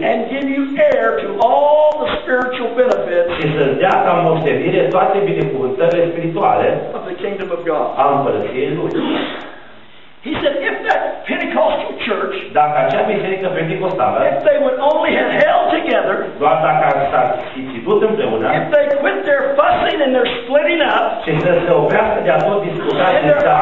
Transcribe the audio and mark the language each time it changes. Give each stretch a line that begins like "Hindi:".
English: and give you heir to all the spiritual benefits
Romanian: și să-ți dea ca moștenire toate binecuvântările spirituale
English: of the kingdom of God.
Romanian: A împărăției lui.
English: He said, if that Pentecostal church,
Romanian: dacă acea biserică pentecostală,
English: if they would only have held together,
Romanian: doar dacă s-ar fi ținut împreună,
English: if they quit their fussing and their splitting up,
Romanian: și să se oprească de a tot discuta și de a